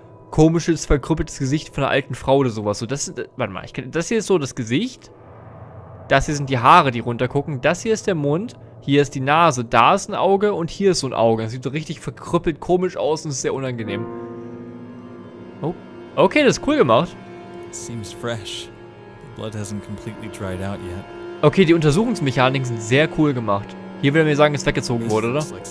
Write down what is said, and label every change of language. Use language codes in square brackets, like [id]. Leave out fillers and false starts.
[de] komisches, verkrüppeltes Gesicht von einer alten Frau oder sowas. So, das ist, warte mal, das hier ist so das Gesicht. Das hier sind die Haare, die runtergucken. Das hier ist der Mund. Hier ist die Nase. Da ist ein Auge und hier ist so ein Auge. Das sieht so richtig verkrüppelt, komisch aus und ist sehr unangenehm. Oh. Okay, das ist cool gemacht. [en] Seems fresh. The blood hasn't completely dried out yet. [de] Okay, die Untersuchungsmechaniken sind sehr cool gemacht. Hier würde er mir sagen, es weggezogen wurde, oder?